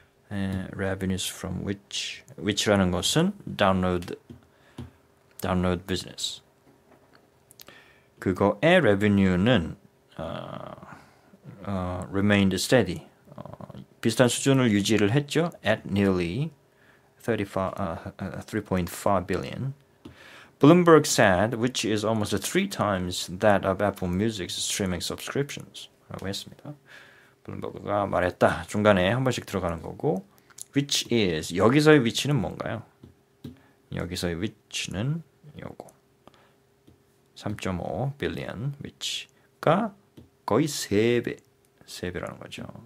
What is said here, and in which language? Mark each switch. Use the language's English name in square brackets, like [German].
[English] Revenues from which. [Korean] Which라는 것은 [English] download business. 그거의 revenue는 remained steady. [Korean] 비슷한 수준을 유지를 했죠. [English] At nearly 3.5 billion. Bloomberg said, which is almost three times that of Apple Music's streaming subscriptions. [Korean] 라고 했습니다. 블룸버그가 말했다. 중간에 한 번씩 들어가는 거고. [English] Which is, [Korean] 여기서의 위치는 뭔가요? 여기서의 위치는 요거. 3.5 billion, which가 거의 3배. 3배라는 거죠.